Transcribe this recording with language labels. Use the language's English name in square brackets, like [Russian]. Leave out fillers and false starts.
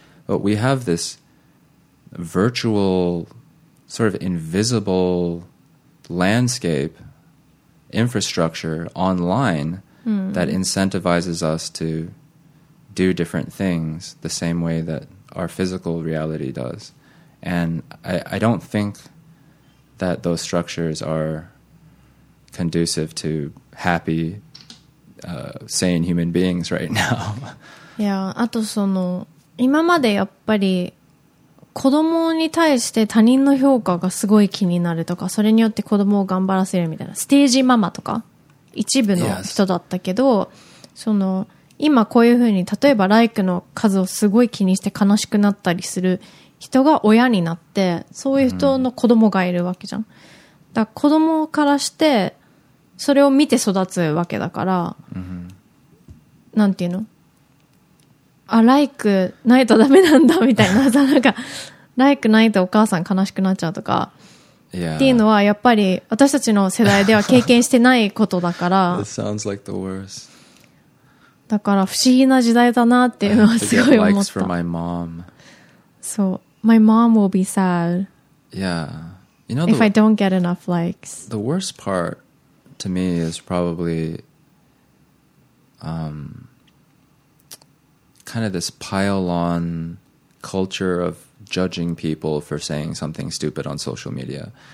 [English] But we have this virtual, sort of invisible landscape infrastructure online that incentivizes us to do different things the same way that our physical reality does. And I don't think that those structures are conducive to happy, sane human beings right now. [Japanese] Yeah, あとその今までやっぱり子供に対して他人の評価がすごい気になるとか、それによって子供を頑張らせるみたいな、ステージママとか、一部の人だったけど、 yes. その、今こういうふうに、例えばライクの数をすごい気にして悲しくなったりする人が親になって、そういう人の子供がいるわけじゃん。だから子供からして、それを見て育つわけだから、 mm-hmm. なんていうの? あ、ライクないとダメなんだみたいなさ、なんかライクないとお母さん悲しくなっちゃうとか、 yeah. っていうのはやっぱり私たちの世代では経験してないことだから。 [English] It sounds like the worst. [Japanese] だから不思議な時代だなっていうのはすごい思った。 [English] Likes for my mom. So my mom will be sad. Yeah. You know, if I don't get enough likes. The worst part to me is probably, kind of this pile-on culture of judging people for saying something stupid on social media.